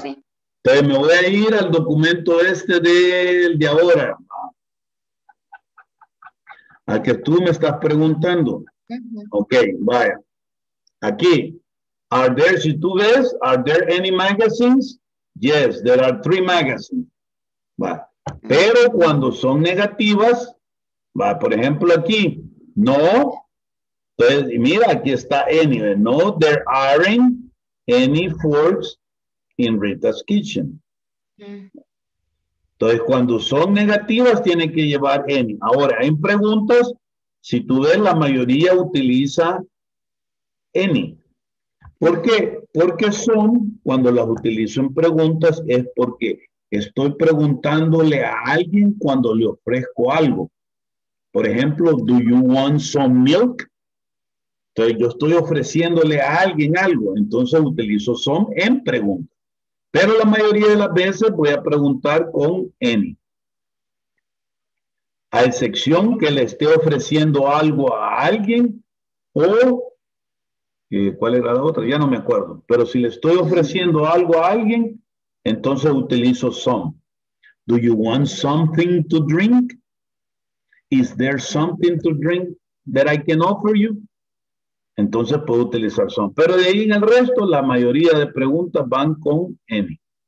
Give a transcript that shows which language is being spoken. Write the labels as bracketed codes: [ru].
[es] Entonces me voy a ir al documento este del de ahora. Al que tú me estás preguntando. Ok, vaya. Aquí. [en] Are there, [es] si tú ves, [en] are there any magazines? Yes, there are 3 magazines. Va. [es] Pero cuando son negativas, va, por ejemplo, aquí, no. Entonces, mira, aquí está any. [en] No, there aren't any forks in Rita's kitchen. [es] Entonces, cuando son negativas, tienen que llevar any. Ahora, en preguntas, si tú ves, la mayoría utiliza any. ¿Por qué? Porque son, cuando las utilizo en preguntas, es porque estoy preguntándole a alguien cuando le ofrezco algo. Por ejemplo, [en] do you want some milk? [es] Entonces, yo estoy ofreciéndole a alguien algo. Entonces, utilizo some en pregunta. Pero la mayoría de las veces voy a preguntar con any. A excepción que le esté ofreciendo algo a alguien o... ¿cuál era la otra? Ya no me acuerdo. Pero si le estoy ofreciendo algo a alguien, entonces utilizo some. [en] Do you want something to drink? Is there something to drink that I can offer you? [es] Entonces puedo utilizar some. Pero de ahí en el resto, la mayoría de preguntas van con any.